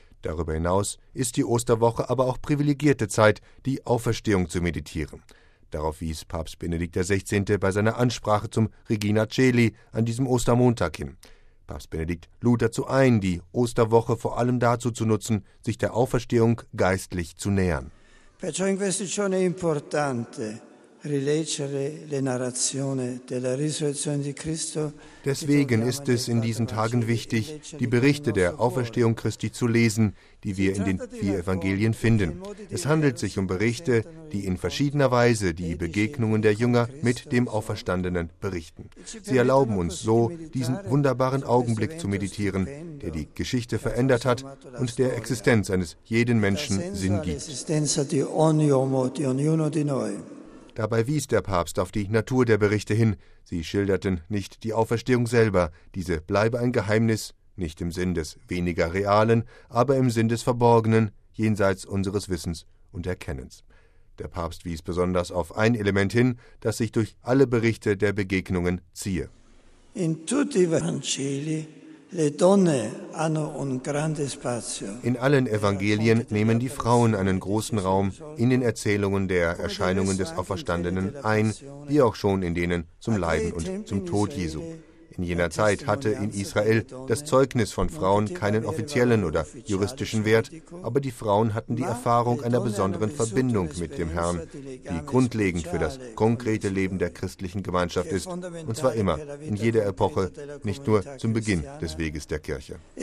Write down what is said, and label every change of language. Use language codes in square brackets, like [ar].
[de] Darüber hinaus ist die Osterwoche aber auch privilegierte Zeit, die Auferstehung zu meditieren. Darauf wies Papst Benedikt XVI. Bei seiner Ansprache zum Regina Caeli an diesem Ostermontag hin. Papst Benedikt lud dazu ein, die Osterwoche vor allem dazu zu nutzen, sich der Auferstehung geistlich zu nähern. [it] Perciò in questi giorni è importante rileggere le narrazioni della risurrezione di Cristo. [de] Deswegen ist es in diesen Tagen wichtig, die Berichte der Auferstehung Christi zu lesen, die wir in den vier Evangelien finden. Es handelt sich um Berichte, die in verschiedener Weise die Begegnungen der Jünger mit dem Auferstandenen berichten. Sie erlauben uns so, diesen wunderbaren Augenblick zu meditieren, der die Geschichte verändert hat und der Existenz eines jeden Menschen Sinn gibt. Dabei wies der Papst auf die Natur der Berichte hin. Sie schilderten nicht die Auferstehung selber. Diese bleibe ein Geheimnis, nicht im Sinn des weniger Realen, aber im Sinn des Verborgenen, jenseits unseres Wissens und Erkennens. Der Papst wies besonders auf ein Element hin, das sich durch alle Berichte der Begegnungen ziehe. [it] In tutti i Vangeli le donne hanno un grande spazio. [de] In allen Evangelien nehmen die Frauen einen großen Raum in den Erzählungen der Erscheinungen des Auferstandenen ein, wie auch schon in denen zum Leiden und zum Tod Jesu. In jener Zeit hatte in Israel das Zeugnis von Frauen keinen offiziellen oder juristischen Wert, aber die Frauen hatten die Erfahrung einer besonderen Verbindung mit dem Herrn, die grundlegend für das konkrete Leben der christlichen Gemeinschaft ist, und zwar immer, in jeder Epoche, nicht nur zum Beginn des Weges der Kirche.